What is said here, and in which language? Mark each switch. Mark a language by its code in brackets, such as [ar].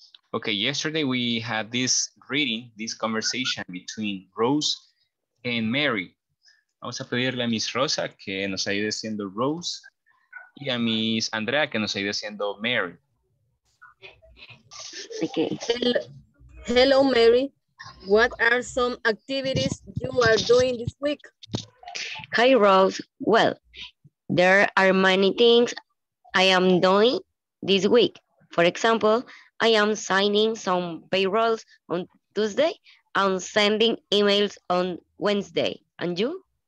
[en] Okay, yesterday we had this reading, this conversation between Rose and Mary. [es] Vamos a pedirle a Miss Rosa que nos ayude siendo Rose y a Miss Andrea que nos ayude siendo Mary. [en] Okay. Hello, Mary. What are some activities you are doing this week? Hi, Rose. Well, there are many things I am doing this week. For example, I am signing some payrolls on Tuesday and sending emails on Wednesday. And you?